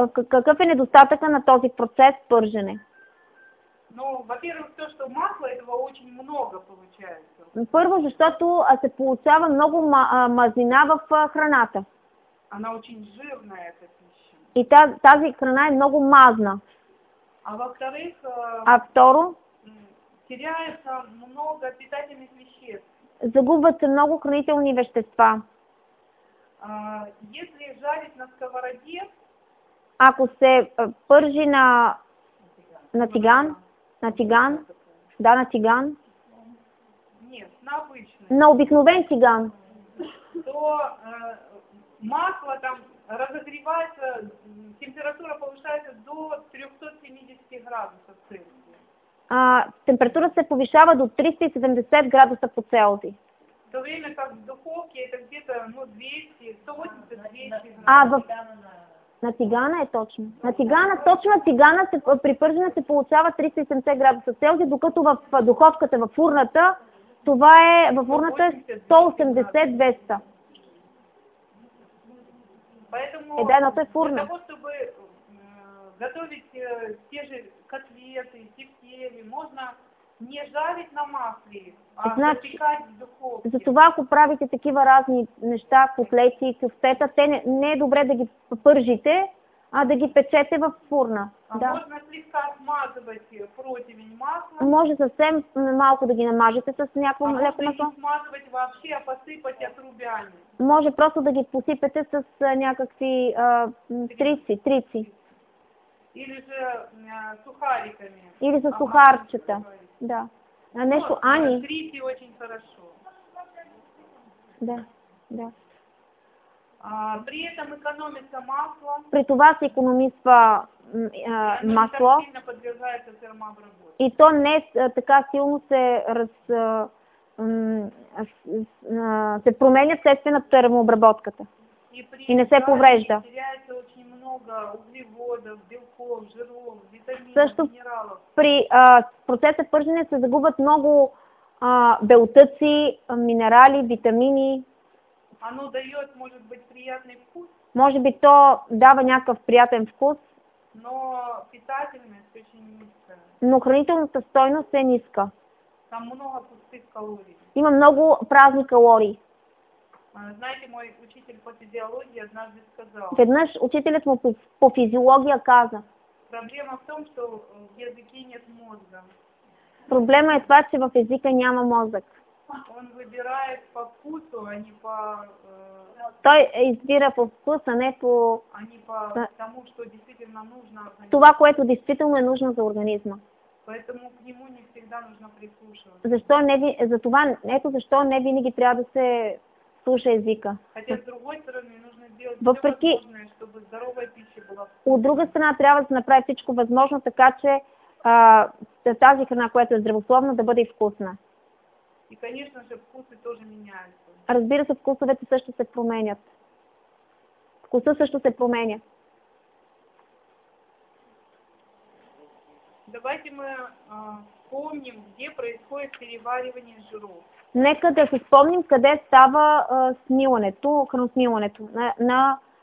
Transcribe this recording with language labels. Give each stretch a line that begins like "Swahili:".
Bulgarian: Какъв е недостатък на този процес пържене?
Russian: Ну, во-первых, то, что масла этого очень много получается.
Bulgarian: Първо, защото се получава много мазнина в храната.
Russian: Она очень жирная, эта пища.
Bulgarian: И тази храна е много мазна.
Russian: А во-вторых,
Bulgarian: второ,
Russian: теряется много питательных веществ.
Bulgarian: Загубват се много хранителни вещества.
Russian: Если жарить на сковороде,
Bulgarian: ако се пържи на тиган, да, на тиган.
Russian: Нет, на обычный.
Bulgarian: На обикновен тиган.
Russian: То масло там разогревается, температура повышается до 370 градусов Цельсия.
Bulgarian: Температура се повишава до 370 градуса по Целзий.
Russian: В то время как в духовке это где-то 180-200
Bulgarian: градусов. На тигана е точно. На тигана, точно на тигана при пържене се получава 370 градуса Целзий, докато в духовката, в фурната, това е във фурната 180-200.
Russian: Поэтому
Bulgarian: фурна.
Russian: Для того, чтобы готовить те же котлеты, тефтели, можно не жарить на масле, а запекать в духовке.
Bulgarian: Затова, ако правите такива разни неща, котлети и тефтета, те не е добре да ги пържите, а да ги печете в фурна. Да.
Russian: Можно слегка смазывать противень маслом.
Bulgarian: Може съвсем малко да ги намажете с някакво леко масло. Може да ги смазвате въобще, а посипате отрубяни. Може просто да ги посипете с някакви трици.
Russian: Или же сухариками.
Bulgarian: Или с сухарчета. Да. Нещо ани.
Russian: Трици очень хорошо. Да, да. При этом экономится масло.
Bulgarian: При това се економисва масло.
Russian: И не подвергается термообработке.
Bulgarian: И то не така силно се променя вследствие на термообработката. И не се поврежда.
Russian: И теряется очень много углеводов, белков, жиров, витаминов, също минералов.
Bulgarian: При процеса пържене се загубят много белтъци, минерали, витамини.
Russian: Оно дает, может быть, приятный вкус.
Bulgarian: Може би то дава някакъв приятен вкус.
Russian: Но питательность очень низкая.
Bulgarian: Но хранителната стойност е ниска.
Russian: Там много пустых калорий.
Bulgarian: Има много празни калории.
Russian: Знаете, мой учитель по физиологии однажды сказал.
Bulgarian: Веднъж учителят му по физиология каза.
Russian: Проблема в том, что в языке нет мозга.
Bulgarian: Проблема е това, че в езика няма мозък.
Russian: Он выбирает по вкусу, а не по...
Bulgarian: Той избира по вкус, а не по...
Russian: А не по тому, что действительно нужно...
Bulgarian: Това, което действително е нужно за организма.
Russian: Поэтому к нему не всегда нужно прислушиваться.
Bulgarian: Защо не ви... Затова... Ето защо не винаги трябва да се слуша езика.
Russian: Хотя с другой стороны нужно сделать Въпреки... все возможное, чтобы здоровая пища была.
Bulgarian: От друга страна трябва да се направи всичко възможно, така че тази храна, която е здравословна, да бъде и вкусна.
Russian: И, конечно же, вкуси тоже меняются.
Bulgarian: Разбира се, вкусовете също се променят. Вкуса също се променя.
Russian: Давайте мы вспомним, где происходит переваривание жиров.
Bulgarian: Нека да се спомним, къде става смилането, храносмилането на...